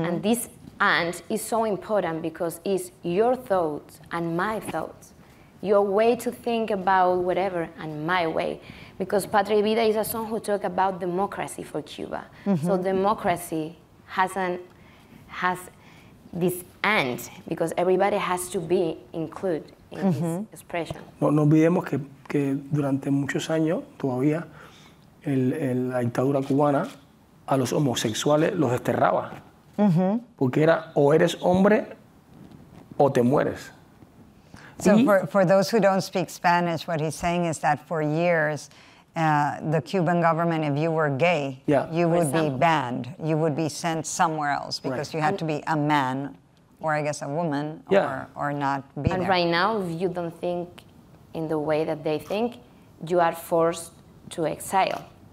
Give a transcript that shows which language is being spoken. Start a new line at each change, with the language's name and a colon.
English: And this and is so important because it's your thoughts and my thoughts, your way to think about whatever and my way. Because Patria y Vida is a song who talk about democracy for Cuba. Mm-hmm. So democracy has this and because everybody has to be included in mm-hmm. this expression.
Spanish: No, no olvidemos que durante muchos años todavía la dictadura cubana a los homosexuales los desterraba. Mm-hmm. Porque era o eres hombre o te mueres.
English: So for those who don't speak Spanish, what he's saying is that for years, the Cuban government, if you were gay, yeah. you would be banned. You would be sent somewhere else because right. you had to be a man or, I guess, a woman yeah. or not be and there. And right now, if you don't think in the way that they think, you are forced to exile,